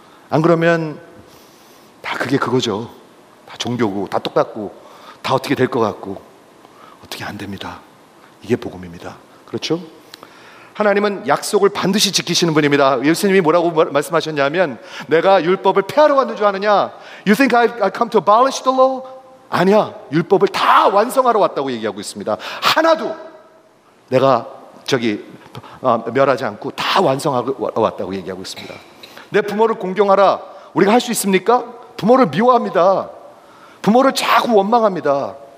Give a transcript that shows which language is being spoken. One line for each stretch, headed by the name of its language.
Korean: 안 그러면 다 그게 그거죠. 다 종교고 다 똑같고 다 어떻게 될 것 같고 어떻게 안 됩니다. 이게 복음입니다. 그렇죠? 하나님은 약속을 반드시 지키시는 분입니다. 예수님이 뭐라고 말씀하셨냐면 내가 율법을 폐하러 왔는 줄 아느냐?
English: You think I come to abolish the law?
Korean: 아니야. 율법을 다 완성하러 왔다고 얘기하고 있습니다. 하나도 내가 저기 멸하지 않고 다 완성하러 왔다고 얘기하고 있습니다. 내 부모를 공경하라. 우리가 할 수 있습니까? 부모를 미워합니다. 부모를 자꾸 원망합니다.